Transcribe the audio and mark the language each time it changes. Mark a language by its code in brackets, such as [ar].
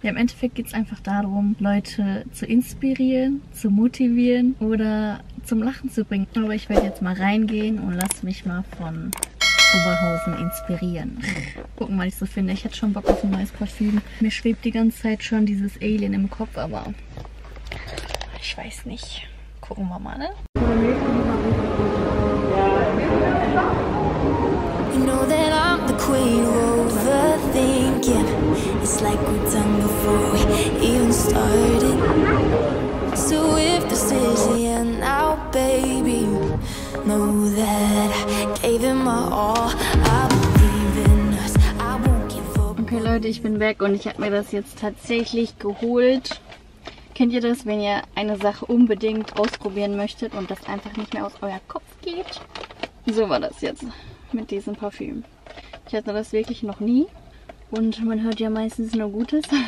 [de] Ja, im Endeffekt geht es einfach darum, Leute zu inspirieren, zu motivieren oder zum Lachen zu bringen. Aber ich werde jetzt mal reingehen und lasse mich mal von Oberhausen inspirieren. Gucken, was ich so finde. Ich hätte schon Bock auf ein neues Parfüm. Mir schwebt die ganze Zeit schon dieses Alien im Kopf, aber ich weiß nicht. Gucken wir mal, ne? [en] You know that I'm the queen of overthinking. It's like we've done before we even started. So if this is the end now, baby, know that I gave him my all. I believe in us. I won't give up. [de] Okay, Leute, ich bin weg und ich habe mir das jetzt tatsächlich geholt. Kennt ihr das, wenn ihr eine Sache unbedingt ausprobieren möchtet und das einfach nicht mehr aus euer Kopf geht? So war das jetzt mit diesem Parfüm. Ich hatte das wirklich noch nie und man hört ja meistens nur Gutes.